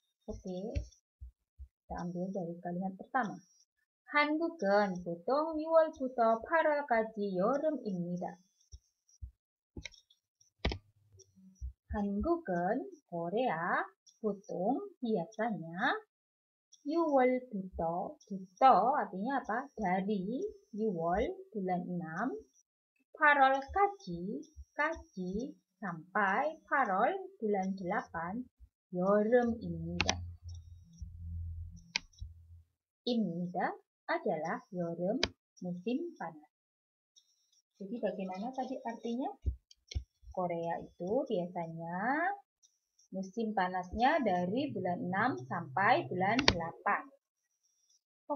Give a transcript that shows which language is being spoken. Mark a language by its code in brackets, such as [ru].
[id] Oke, kita ambil dari kalimat pertama. [ko] 한국은 보통 6월부터 8월까지 여름입니다. 한국은 [id] Korea, 보통 biasanya [ko] 6월부터, 부터 [id] artinya apa? Dari 6월 bulan 6, [ko] 8월까지, 까지 [id] sampai 8월 bulan 8 [ko] 여름입니다. 입니다 [id] adalah yorum musim panas. Jadi bagaimana tadi artinya? Korea itu biasanya musim panasnya dari bulan 6 sampai bulan 8.